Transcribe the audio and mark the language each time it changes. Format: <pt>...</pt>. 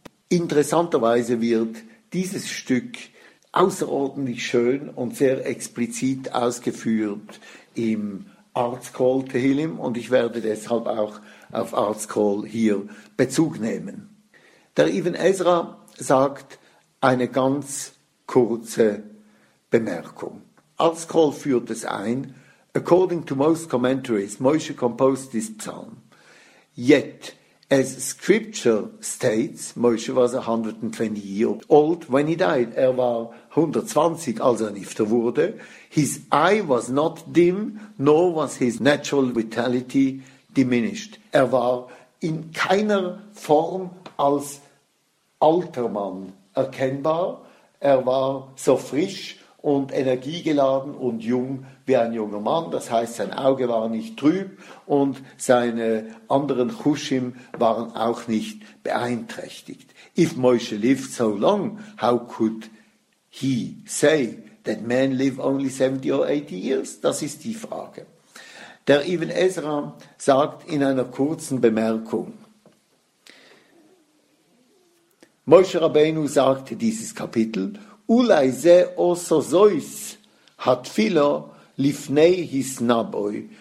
<de>Interessanterweise wird dieses Stück außerordentlich schön und sehr explizit ausgeführt im Artscroll Tehillim und ich werde deshalb auch auf Artscroll hier Bezug nehmen. Der Ibn Ezra sagt eine ganz kurze Bemerkung. Artscroll führt es ein.</de> <en>According to most commentaries, Moshe composed this psalm. Yet, as scripture states, Moshe was 120 years old when he died.</en> <de>Er war 120, als er Nifter wurde.</de> <en>His eye was not dim, nor was his natural vitality diminished.</en> <de>Er war in keiner Form als alter Mann erkennbar. Er war so frisch und energiegeladen und jung wie ein junger Mann. Das heißt, sein Auge war nicht trüb und seine anderen Chushim waren auch nicht beeinträchtigt.</de> <en>If Moshe lived so long, how could he say that men live only 70 or 80 years?</en> <de>Das ist die Frage. Der Ibn Ezra sagt in einer kurzen Bemerkung, Moshe Rabbeinu sagte dieses Kapitel,</de> <he>Ulai ze oso sois hat filo lifnei his naboi.</he>